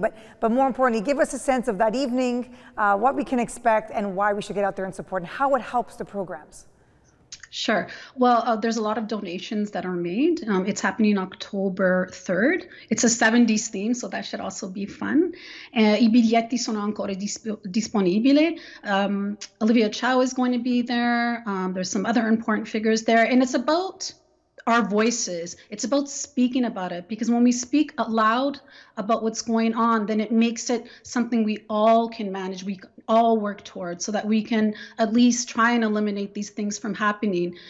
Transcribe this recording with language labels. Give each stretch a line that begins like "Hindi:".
English: But more importantly, give us a sense of that evening, what we can expect, and why we should get out there and support, and how it helps the programs. Sure. Well, there's a lot of donations that are made. It's happening October 3rd. It's a 70s theme, so that should also be fun.
Italian: I biglietti sono ancora disponibili.
English: Olivia Chow is going to be there. There's some other important figures there. And it's about our voices. It's about speaking about it, because when we speak aloud about what's going on, then it makes it something we all can manage, we all work towards, so that we can at least try and eliminate these things from happening.